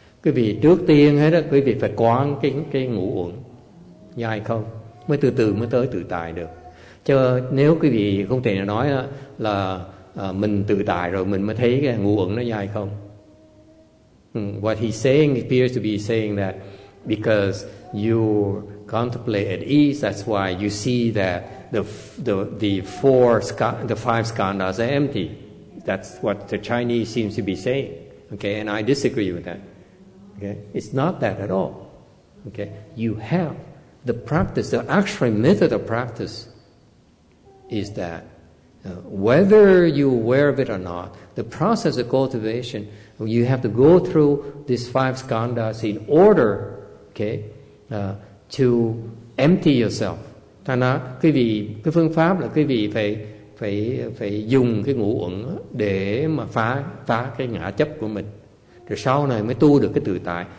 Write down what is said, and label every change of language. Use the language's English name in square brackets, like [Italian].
[Vietnamese] Quý vị trước tiên hết á, quý vị phải quán cái ngũ uẩn nhai không, mới từ từ mới tới tự tại được. Chứ nếu quý vị không thể nói là mình tự tại rồi mình mới thấy cái ngũ uẩn nó nhai không. [English] What he's saying appears to be saying that because you contemplate at ease, that's why you see that the five skandhas are empty. That's what the Chinese seems to be saying. Okay, and I disagree with that. Okay, it's not that at all. Okay, you have the practice, the actual method of practice is that whether you're aware of it or not, the process of cultivation, you have to go through these five skandhas in order, okay, to empty yourself. [Vietnamese] Thành ra quý vị, cái phương pháp là quý vị phải dùng cái ngũ uẩn để mà phá cái ngã chấp của mình, rồi sau này mới tu được cái tự tại.